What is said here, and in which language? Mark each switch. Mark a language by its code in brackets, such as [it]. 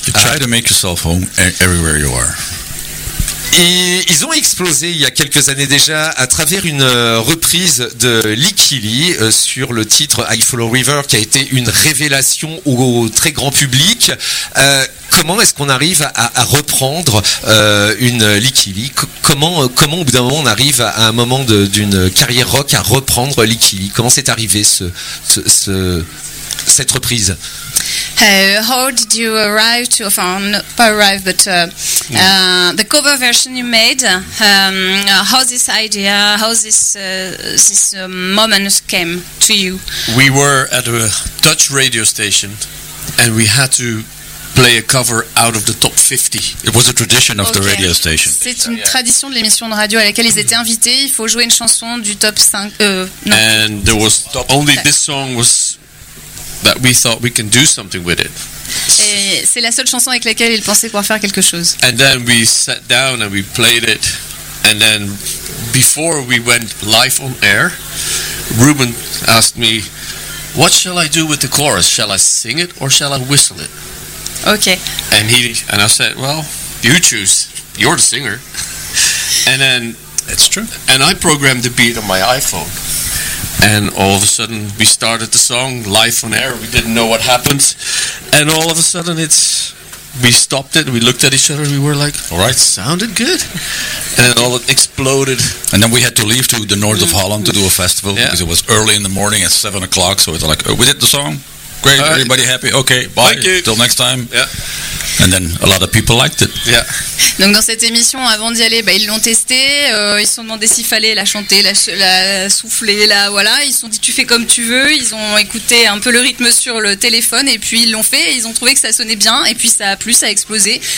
[en] You try to make yourself home everywhere you are. [fr] Et ils ont explosé il y a quelques années déjà à travers une reprise de Licky Lee sur le titre I Follow River, qui a été une révélation au très grand public. Comment est-ce qu'on arrive à reprendre une Licky Lee? Comment au bout d'un moment on arrive à un moment d'une carrière rock à reprendre Licky Lee? Comment c'est arrivé cette reprise? [en] How did you arrive to, the cover version you made? How's this idea? How's this moment came to you? We were at a Dutch radio station, and we had to play a cover out of the top 50. It was a tradition of the radio station. [fr] C'est une tradition de l'émission de radio à laquelle ils étaient invités. Il faut jouer une chanson du top 5. [en] And there was only this song was. That we thought we can do something with it. [fr] Et c'est la seule chanson avec laquelle ils pensaient pouvoir faire quelque chose. [en] And then we sat down and we played it, and then before we went live on air, Ruben asked me, "What shall I do with the chorus? Shall I sing it or shall I whistle it?" Okay. And I said, "Well, you choose. You're the singer." And then that's true. And I programmed the beat on my iPhone. And all of a sudden, we started the song live on air. We didn't know what happened. And all of a sudden, we stopped it. We looked at each other. And we were like, "All right, it sounded good." And then all it exploded. And then we had to leave to the north of Holland to do a festival because it was early in the morning at 7 o'clock. So it's like, oh, we did the song. Great, everybody happy. Okay, bye. Thank you. Till next time. Yeah. And then a lot of people liked it. Yeah. [fr] Donc dans cette émission, avant d'y aller, ils l'ont testé. Ils se sont demandé s'il fallait la chanter, la souffler, voilà. Ils se sont dit tu fais comme tu veux. Ils ont écouté un peu le rythme sur le téléphone et puis ils l'ont fait. Ils ont trouvé que ça sonnait bien et puis ça a plu, ça a explosé.